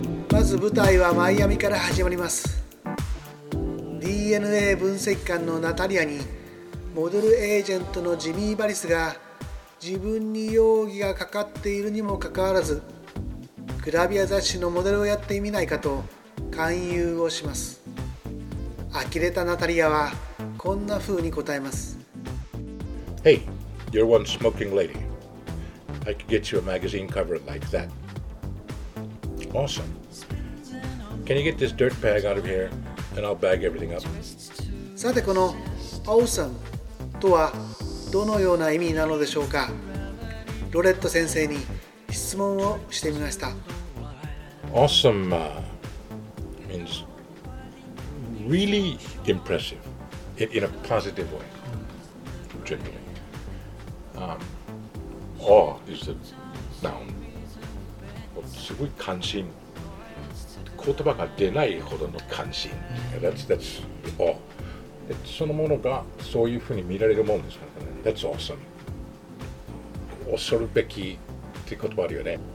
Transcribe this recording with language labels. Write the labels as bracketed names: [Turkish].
[Japanese] まず舞台はマイアミから始まります。DNA 分析官のナタリアに、モデルエージェントのジミー・バリスが自分に容疑がかかっているにもかかわらず、グラビア雑誌のモデルをやってみないかと勧誘をします。呆れたナタリアはこんな風に答えます。 [English] Hey, you're one smoking lady. I could get you a magazine cover like that. Awesome. Can you get this dirt bag out of here? And I'll bag everything up. [Japanese] さてこの Awesome とはどのような意味なのでしょうか。ロレット先生に質問をしてみました。 [English] Awesome means really impressive in a positive way, generally. Awe is the noun. [Japanese] すごい関心、言葉が出ないほどの関心、 [English] that's awe. [Japanese] そのものがそういうふうに見られるもんですからね。 [English] That's awesome. [Japanese] 恐るべきって言葉あるよね。